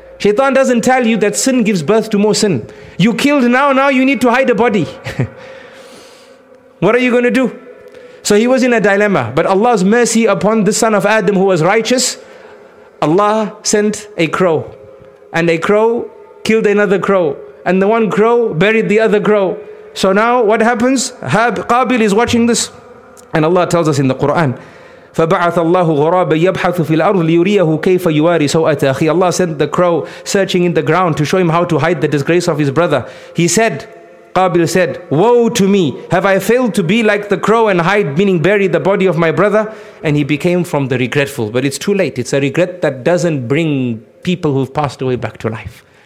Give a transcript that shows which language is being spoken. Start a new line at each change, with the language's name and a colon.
English: Shaitan doesn't tell you that sin gives birth to more sin. You killed now you need to hide a body. What are you going to do? So he was in a dilemma. But Allah's mercy upon the son of Adam who was righteous, Allah sent a crow. And a crow killed another crow. And the one crow buried the other crow. So now what happens? Qabil is watching this. And Allah tells us in the Quran,
Arabic: فَبَعَثَ اللَّهُ غُرَابًا يَبْحَثُ فِي الْأَرْضِ لِيُرِيَهُ كَيْفَ يُوَارِي سَوْءَةَ أَخِيهِ.
English: Allah sent the crow searching in the ground to show him how to hide the disgrace of his brother. He said, Qabil said, woe to me, have I failed to be like the crow and hide, meaning bury the body of my brother? And he became from the regretful. But it's too late. It's a regret that doesn't bring people who've passed away back to life.